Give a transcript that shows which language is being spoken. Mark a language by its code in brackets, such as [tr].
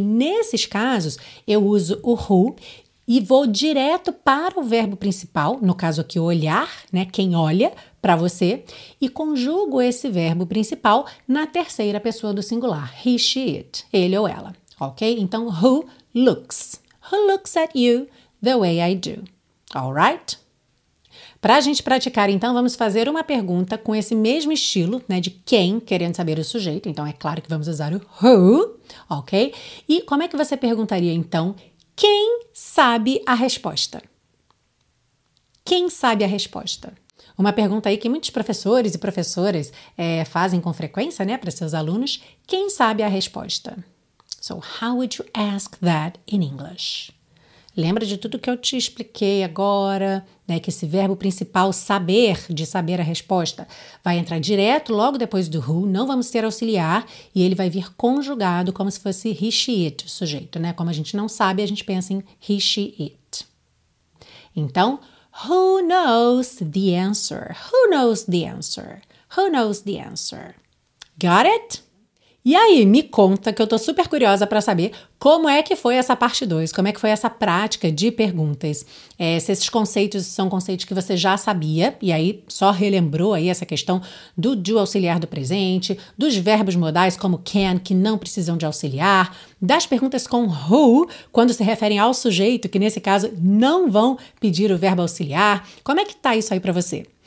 [pt] Nesses casos, eu uso o who e vou direto para o verbo principal, no caso aqui, olhar, né? Quem olha para você, e conjugo esse verbo principal na terceira pessoa do singular, he, she, it, ele ou ela. [en] Ok? Então, who looks? Who looks at you the way I do? Alright? [pt] Para a gente praticar, então, vamos fazer uma pergunta com esse mesmo estilo, né? De quem, querendo saber o sujeito. Então, é claro que vamos usar o who, ok? E como é que você perguntaria, então, quem sabe a resposta? Quem sabe a resposta? Uma pergunta aí que muitos professores e professoras fazem com frequência, né? Para seus alunos. Quem sabe a resposta? [en] So, how would you ask that in English? [pt] Lembra de tudo que eu te expliquei agora, né? Que esse verbo principal, saber, de saber a resposta, vai entrar direto logo depois do who, não vamos ter auxiliar, e ele vai vir conjugado como se fosse he, she, it, o sujeito, né? Como a gente não sabe, a gente pensa em he, she, it. [en] Então, who knows the answer? Who knows the answer? Who knows the answer? Got it? [pt] E aí, me conta, que eu tô super curiosa para saber como é que foi essa parte 2, como é que foi essa prática de perguntas, se esses conceitos são conceitos que você já sabia, e aí só relembrou aí essa questão do do auxiliar do presente, dos verbos modais como can, que não precisam de auxiliar, das perguntas com who, quando se referem ao sujeito, que nesse caso não vão pedir o verbo auxiliar, como é que tá isso aí para você?